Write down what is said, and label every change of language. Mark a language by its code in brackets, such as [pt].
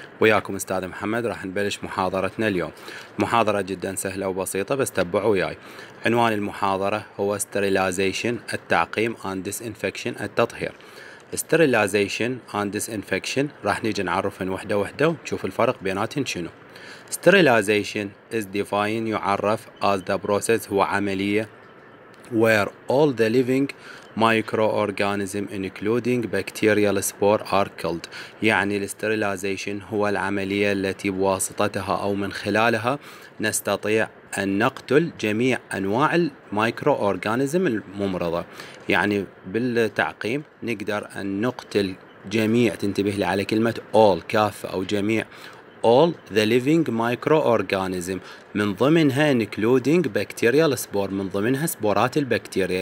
[ar] وياكم استاذ محمد، راح نبلش محاضرتنا اليوم. محاضره جدا سهله وبسيطه، بس تبعوا وياي. عنوان المحاضره هو sterilization التعقيم and disinfection التطهير. [en] sterilization and disinfection [ar] راح نيجي نعرفهم وحده وحده ونشوف الفرق بيناتهم شنو. [en] sterilization is defined [ar] يعرف [en] as the process [ar] هو عمليه [en] where all the living microorganisms including bacterial spore are killed. [ar] يعني الاستريلايزيشن هو العملية التي بواسطتها أو من خلالها نستطيع أن نقتل جميع أنواع الميكروأورغانيزم الممرضة. يعني بالتعقيم نقدر أن نقتل جميع، تنتبه لي على كلمة all، كافة أو جميع، [en] all the living microorganism [ar] من ضمنها [en] including bacterial spore، [ar] من ضمنها سبورات البكتيريا.